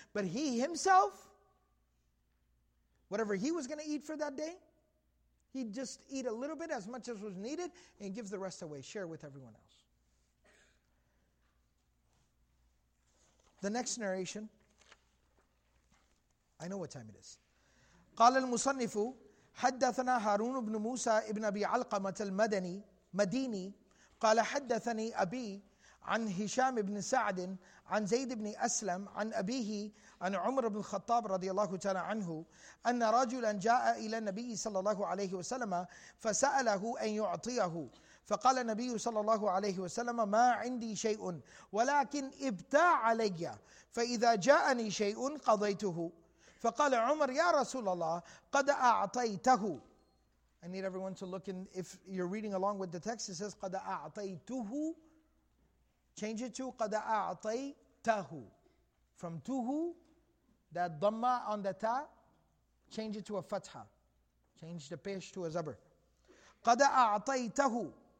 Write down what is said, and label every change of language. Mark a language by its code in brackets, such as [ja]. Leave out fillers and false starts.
[en] But he himself, whatever he was going to eat for that day, he'd just eat a little bit, as much as was needed, and give the rest away, share with everyone else. The next narration, I know what time it is. [ar] قال المصنف حدثنا هارون بن موسى ابن أبي علقمة المديني قال حدثني أبي عن هشام بن سعد عن زيد بن أسلم عن أبيه عن عمر بن الخطاب رضي الله تعالى عنه أن رجلا جاء إلى النبي صلى الله عليه وسلم فسأله أن يعطيه فقال النبي صلى الله عليه وسلم ما عندي شيء ولكن ابتاع علي فإذا جاءني شيء قضيته فقال عمر يا رسول الله قد أعطيته. [en] I need everyone to look in, if you're reading along with the text, it says [ar] قد أعطيته. [en] Change it to [ar] قَدَ أَعْطَيْتَهُ. [en] From tuhu, that dhamma on the ta, change it to a fatha. Change the pesh to a zabr. [ar] قَدَ أَعْطَيْتَهُ.